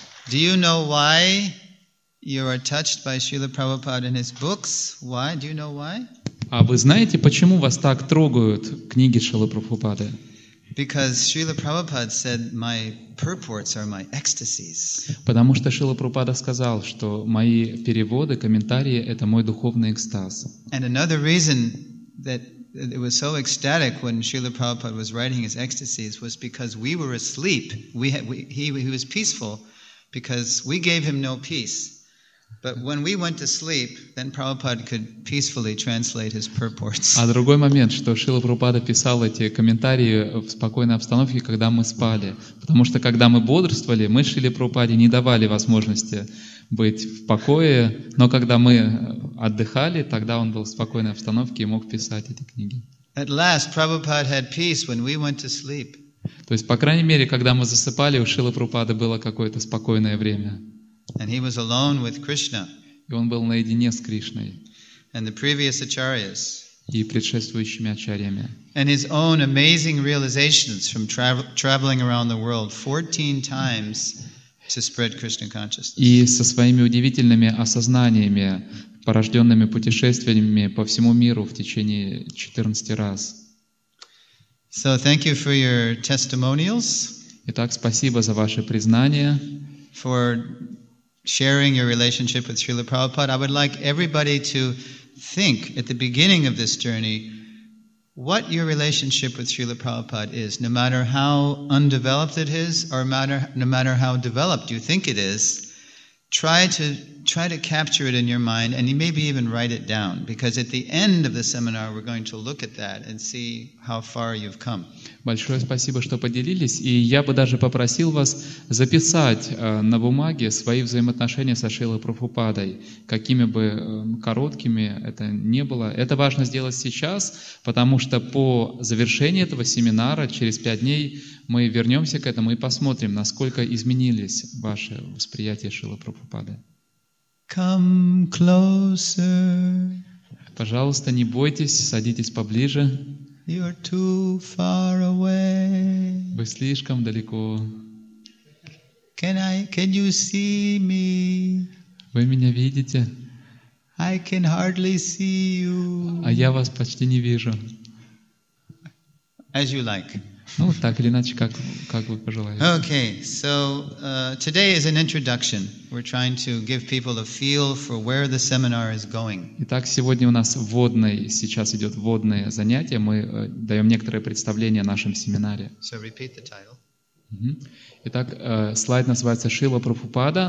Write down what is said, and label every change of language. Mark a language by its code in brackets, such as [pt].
[en] Do you know why you are touched by Srila Prabhupada in his books? Why? Do you know why? [ru] А вы знаете, почему вас так трогают книги Шрилы Прабхупады? [en] Because Srila Prabhupada said, my purports are my ecstasies. [ru] Потому что Шрила Прабхупада сказал, что мои переводы, комментарии — это мой духовный экстаз. [en] And another reason that it was so ecstatic when Srila Prabhupada was writing his ecstasies was because we were asleep. He was peaceful because we gave him no peace. But when we went to sleep, then Prabhupada could peacefully translate his purports. [ru] А другой момент, что Шрила Прабхупада писал эти комментарии в спокойной обстановке, когда мы спали, потому что когда мы бодрствовали, мы Шриле Прабхупаде не давали возможности быть в покое, но когда мы отдыхали, тогда он был в спокойной обстановке и мог писать эти книги. [en] At last, Prabhupada had peace when we went to sleep. [ru] То есть, по крайней мере, когда мы засыпали, у Шрилы Прабхупады было какое-то спокойное время. [en] And he was alone with Krishna. [ru] И он был наедине с Кришной. [en] And the previous acharyas. [ru] И предшествующими ачарьями. [en] And his own amazing realizations from traveling around the world 14 times to spread Krishna consciousness. [ru] И со своими удивительными осознаниями, порожденными путешествиями по всему миру в течение 14 раз. [en] So thank you for your testimonials. [ru] Итак, спасибо за ваши признания. [en] For sharing your relationship with Srila Prabhupada, I would like everybody to think at the beginning of this journey what your relationship with Srila Prabhupada is, no matter how undeveloped it is, or no matter how developed you think it is, try to try to capture it in your mind, and you maybe even write it down, because at the end of the seminar we're going to look at that and see how far you've come. [ru] Большое спасибо, что поделились, и я бы даже попросил вас записать на бумаге свои взаимоотношения со Шрилой Прабхупадой, какими бы короткими это ни было. Это важно сделать сейчас, потому что по завершении этого семинара через 5 дней мы вернемся к этому и посмотрим, насколько изменились ваши восприятия Шрилы Прабхупады. [en] Come closer. [ru] Пожалуйста, не бойтесь, садитесь поближе. [en] You're too far away. [ru] Вы слишком далеко. [en] Can you see me? [ru] Вы меня видите? [en] I can hardly see you. [ru] А я вас почти не вижу. [en] As you like. [ru] Ну, так или иначе, как вы пожелаете. [en] Okay, so today is an introduction. We're trying to give people a feel for where the seminar is going. [ru] Итак, сегодня у нас сейчас идет вводное занятие. Мы даем некоторое представление о нашем семинаре. [en] So repeat the title. [ru] Итак, слайд называется «Шрила Прабхупада.